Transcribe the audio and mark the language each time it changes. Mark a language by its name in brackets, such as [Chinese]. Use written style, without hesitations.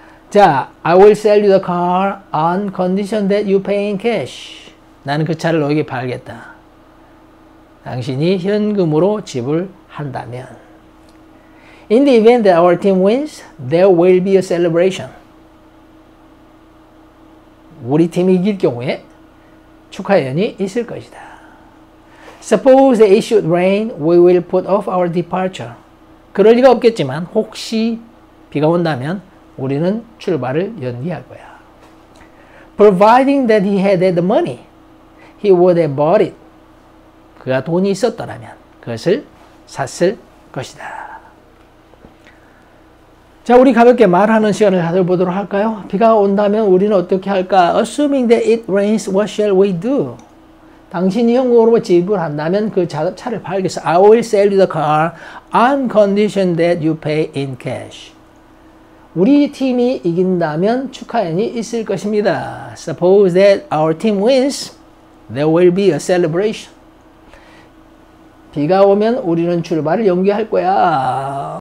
[English] 자, I will sell you the car on condition that you pay in cash. [Korean] 나는 그 차를 너에게 팔겠다. 당신이 현금으로 지불한다면. [English] In the event that our team wins, there will be a celebration. [Korean] 우리 팀이 이길 경우에 축하연이 있을 것이다. [English] Suppose it should rain, we will put off our departure. [Korean] 그럴 리가 없겠지만 혹시 비가 온다면 우리는 출발을 연기할 거야. [English] Providing that he had the money, he would have bought it. [Korean] 그가 돈이 있었더라면 그것을 샀을 것이다. 자, 우리 가볍게 말하는 시간을 가져보도록 할까요? 비가 온다면 우리는 어떻게 할까? [English] Assuming that it rains, what shall we do? [Korean] 당신이 현금으로 지불한다면 그 차를 팔겠어. [English] I will sell you the car on condition that you pay in cash. [Korean] 우리 팀이 이긴다면 축하연이 있을 것입니다. [English] Suppose that our team wins, there will be a celebration. [Korean] 비가 오면 우리는 출발을 연기할 거야.